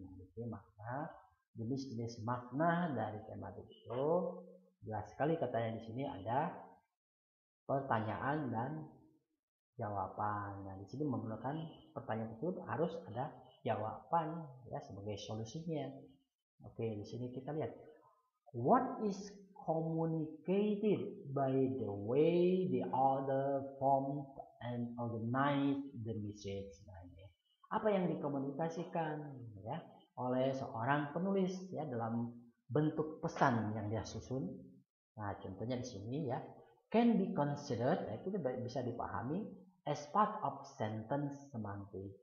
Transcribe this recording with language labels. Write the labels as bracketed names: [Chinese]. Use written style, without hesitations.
[Indonesian] Jadi makna, jenis-jenis makna dari tematik itu jelas sekali katanya di sini ada pertanyaan dan jawaban. Nah, di sini menggunakan pertanyaan tersebut harus ada jawaban ya sebagai solusinya. Oke, di sini kita lihat [English] what is communicated by the way the other formed and organized the message. [Indonesian] Nah, ini apa yang dikomunikasikan ya oleh seorang penulis ya dalam bentuk pesan yang dia susun. Nah, contohnya di sini ya, [English] can be considered, [Indonesian] ya, itu bisa dipahami [English] as part of sentence [Indonesian] semantik.